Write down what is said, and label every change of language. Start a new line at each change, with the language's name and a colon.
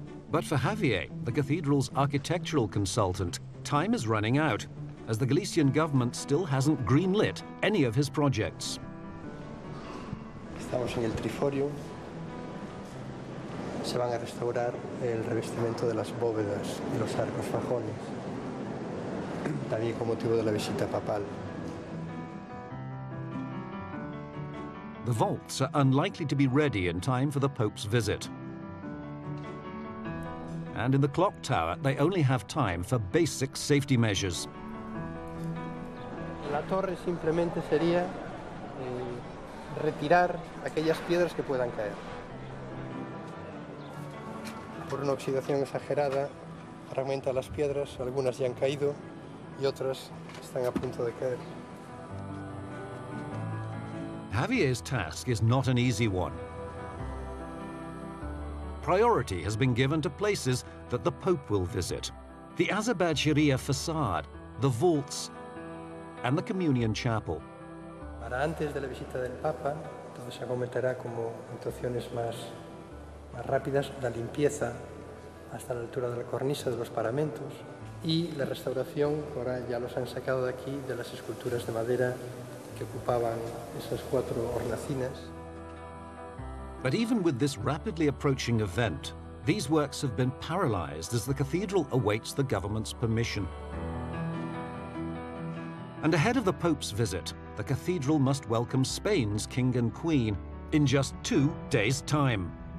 English: But for Javier, the cathedral's architectural consultant, time is running out, as the Galician government still hasn't greenlit any of his projects.
Spanish: Estamos en el triforio. Se van a restaurar el revestimiento de las bóvedas y los arcos fajones, también con motivo de la visita papal.
English: The vaults are unlikely to be ready in time for the Pope's visit. And in the clock tower, they only have time for basic safety measures.
Spanish: La torre simplemente sería retirar aquellas piedras que puedan caer. Por una oxidación exagerada, fragmenta las piedras, algunas ya han caído y otras están a punto de caer.
English: Javier's task is not an easy one. Priority has been given to places that the Pope will visit. The Azabad Sharia facade, the vaults, and the communion chapel.
Spanish: Para antes de la visita del Papa, todo se acometerá como actuaciones más rápidas, la limpieza hasta la altura de la cornisa, de los paramentos, y la restauración, ahora ya los han sacado de aquí, de las esculturas de madera que ocupaban esas cuatro hornacinas.
English: But even with this rapidly approaching event, these works have been paralyzed as the cathedral awaits the government's permission. And ahead of the Pope's visit, the cathedral must welcome Spain's king and queen in just 2 days' time.